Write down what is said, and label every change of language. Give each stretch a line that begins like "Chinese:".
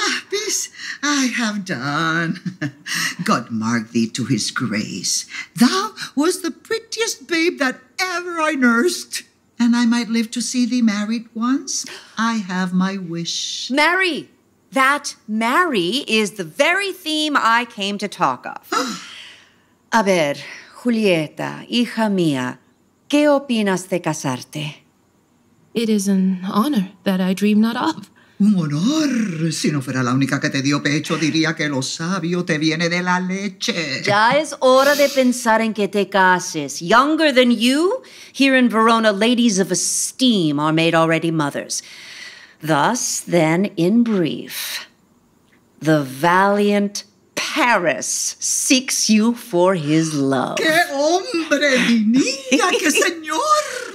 English: This I have done. God mark thee to his grace. Thou was the prettiest babe that ever I nursed. And I might live to see thee married once. I have my wish. Marry! That marry is the very theme I came to talk of.
Spanish: A ver, Julieta, hija mía, ¿qué opinas de casarte?
English: It is an honor that I dream not of.
Spanish: Un honor. Si no fuera la única que te dio pecho, diría que lo sabio te viene de la leche. Ya es hora de pensar en que te cases.
English: Younger than you, here in Verona, ladies of esteem are made already mothers. Thus, then, in brief, the valiant Paris seeks you for his love.
Spanish: ¡Qué hombre, mi niña! ¡Qué señor!